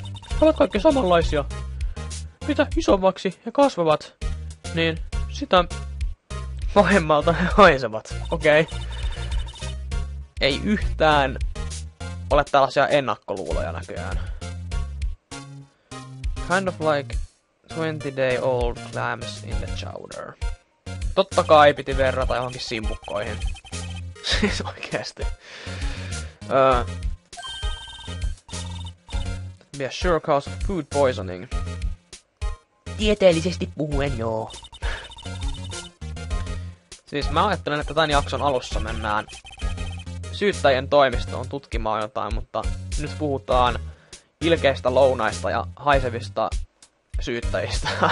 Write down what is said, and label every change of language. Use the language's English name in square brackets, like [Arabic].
[Finnish] He ovat kaikki samanlaisia. Mitä isommaksi he kasvavat, niin sitä pahemmalta he haisevat. Okei. Ei yhtään ole tällaisia ennakkoluuloja näköjään. [English] Kind of like 20-day-old clams in the chowder. [Finnish] Totta kai piti verrata johonkin simpukkoihin. Siis oikeesti. [English] Be a sure cause of food poisoning. [Finnish] Tieteellisesti puhuen joo. Siis mä ajattelen, että tän jakson alussa mennään syyttäjien toimistoon tutkimaan jotain, mutta nyt puhutaan ilkeistä lounaista ja haisevista syyttäjistä.